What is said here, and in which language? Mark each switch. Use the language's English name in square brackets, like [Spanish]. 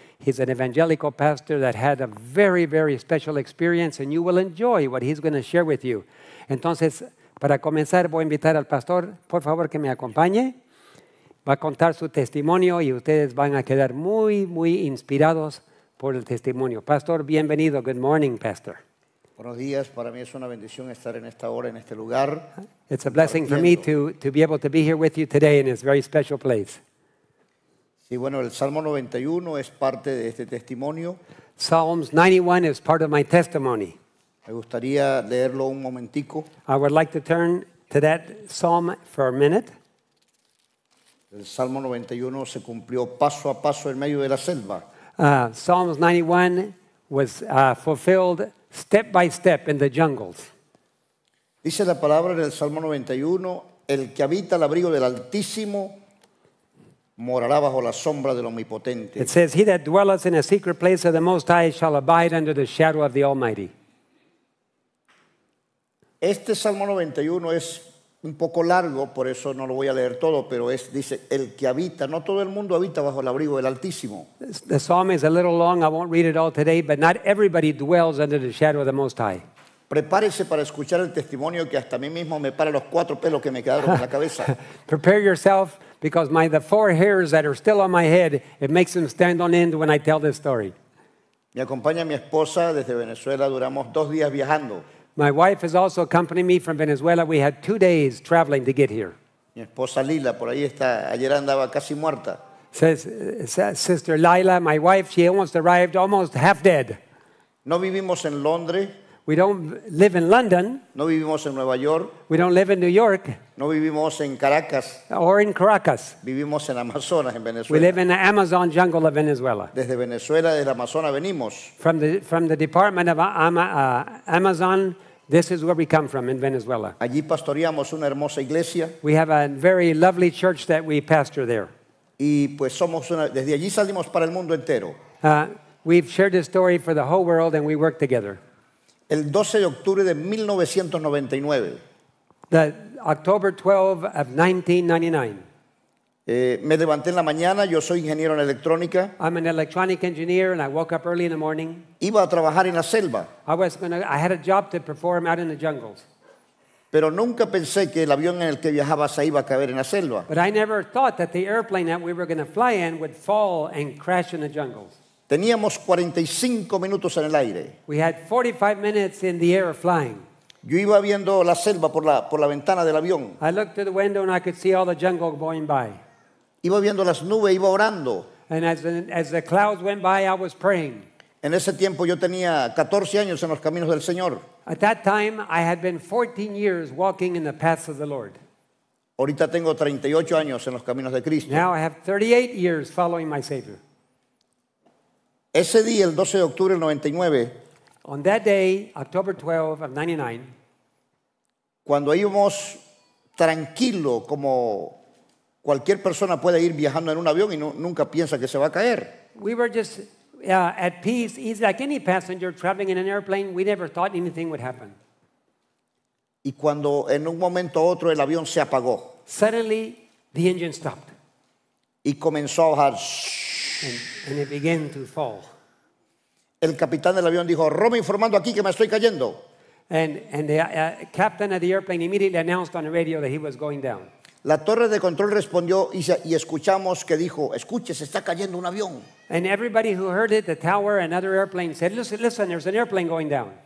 [English] He's an evangelical pastor that had a very, very special experience, and you will enjoy what he's going to share with you. [Spanish] Entonces, para comenzar, voy a invitar al pastor, por favor, que me acompañe. Va a contar su testimonio y ustedes van a quedar muy, muy inspirados por el testimonio. Pastor, bienvenido. [English] Good morning, Pastor. [Spanish] Buenos días. Para mí es una bendición estar en esta hora, en este lugar. [English] It's a blessing for me to be able to be here with you today in this very special place. [Spanish] Sí, bueno, el Salmo 91 es parte de este testimonio. [English] Psalms 91 is part of my testimony. [Spanish] Me gustaría leerlo un momentico. [English] I would like to turn to that psalm for a minute. [Spanish] El Salmo 91 se cumplió paso a paso en medio de la selva. [English] Psalms 91 was fulfilled step by step in the jungles. [Spanish] Dice la palabra en el Salmo 91, el que habita al abrigo del Altísimo morará bajo la sombra del Omnipotente. [English] It says, he that dwelleth in a secret place of the Most High shall abide under the shadow of the Almighty. [Spanish] Este Salmo 91 es un poco largo, por eso no lo voy a leer todo, pero es, dice, el que habita, no todo el mundo habita bajo el abrigo del Altísimo. [English] The psalm is a little long, I won't read it all today, but not everybody dwells under the shadow of the Most High. [Spanish] Prepárese para escuchar el testimonio que hasta a mí mismo me para los cuatro pelos que me quedaron en la cabeza. [English] Prepare yourself, because the four hairs that are still on my head, it makes them stand on end when I tell this story. [Spanish] Me acompaña mi esposa desde Venezuela, duramos dos días viajando. [English] My wife is also accompanying me from Venezuela. We had 2 days traveling to get here. [Spanish] Mi esposa Lila, por ahí está, ayer andaba casi muerta. [English] Says, Sister Lila, my wife, she almost arrived almost half dead. [Spanish] No vivimos en Londres. [English] We don't live in London. [Spanish] No vivimos en Nueva York. [English] We don't live in New York. [Spanish] No vivimos en Caracas. [English] Or in Caracas. [Spanish] Vivimos en Amazonas, en Venezuela. [English] We live in the Amazon jungle of Venezuela. [Spanish] Desde Venezuela, desde Amazonas, venimos. [English] From the department of Amazon, this is where we come from, in Venezuela. [Spanish] Allí pastoreamos una hermosa iglesia. [English] We have a very lovely church that we pastor there. [Spanish] Y pues somos una, desde allí salimos para el mundo entero. [English] We've shared this story for the whole world, and we work together. [Spanish] El 12 de octubre de 1999. [English] October 12 of 1999. [Spanish] Me levanté en la mañana, yo soy ingeniero en electrónica. [English] I'm an electronic engineer and I woke up early in the morning. [Spanish] Iba a trabajar en la selva. [English] I had a job to perform out in the jungles. [Spanish] Pero nunca pensé que el avión en el que viajaba se iba a caer en la selva. [English] But I never thought that the airplane that we were going to fly in would fall and crash in the jungles. [Spanish] Teníamos 45 minutos en el aire. [English] We had 45 minutes in the air flying. [Spanish] Yo iba viendo la selva por la ventana del avión. [English] I looked through the window and I could see all the jungle going by. [Spanish] Iba viendo las nubes, iba orando. [English] And as the clouds went by, I was praying. [Spanish] En ese tiempo yo tenía 14 años en los caminos del Señor. [English] At that time, I had been 14 years walking in the paths of the Lord. [Spanish] Ahorita tengo 38 años en los caminos de Cristo. [English] Now I have 38 years following my Savior. [Spanish] Ese día, el 12 de octubre del 99. [English] On that day, October 12 of 99. [Spanish] Cuando íbamos tranquilo, como cualquier persona puede ir viajando en un avión y no, nunca piensa que se va a caer. [English] We were just at peace, easy, like any passenger traveling in an airplane. We never thought anything would happen. [Spanish] Y cuando en un momento u otro el avión se apagó. [English] Suddenly, the engine stopped. [Spanish] Y comenzó a bajar. [English] And it began to fall. [Spanish] El capitán del avión dijo, Romo informando aquí que me estoy cayendo. [English] And the captain of the airplane immediately announced on the radio that he was going down. [Spanish] La torre de control respondió y escuchamos que dijo, escuche, se está cayendo un avión. [English] And everybody who heard it, the tower and other airplanes said, listen, there's an airplane going down.